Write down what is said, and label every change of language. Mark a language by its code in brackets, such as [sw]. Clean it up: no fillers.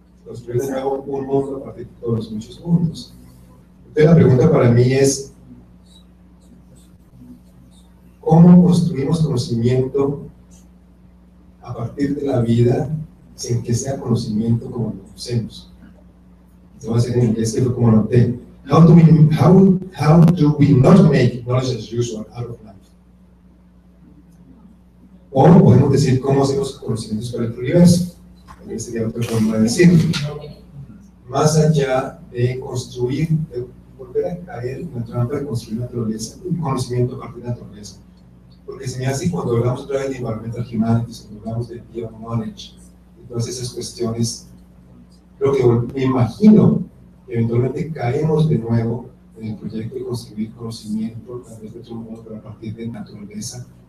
[es] Construir de nuevo un mundo a partir de todos los muchos mundos. Entonces la pregunta para mí es, ¿cómo construimos conocimiento a partir de la vida sin que sea conocimiento como lo conocemos? Te voy a hacer en inglés que lo como noté. [en] How do we not make knowledge as usual out of life? [es] O podemos decir, ¿cómo hacemos conocimientos para el universo? Sería otra forma de decirlo. Más allá de construir, de volver a caer en la trampa de construir naturaleza, un conocimiento a partir de naturaleza. Porque se me hace cuando hablamos otra vez de [en] environmental humanities, [es] cuando hablamos de [en] deep knowledge, [es] y todas esas cuestiones, lo que me imagino, eventualmente caemos de nuevo en el proyecto de construir conocimiento a través de otro modo, pero a partir de naturaleza.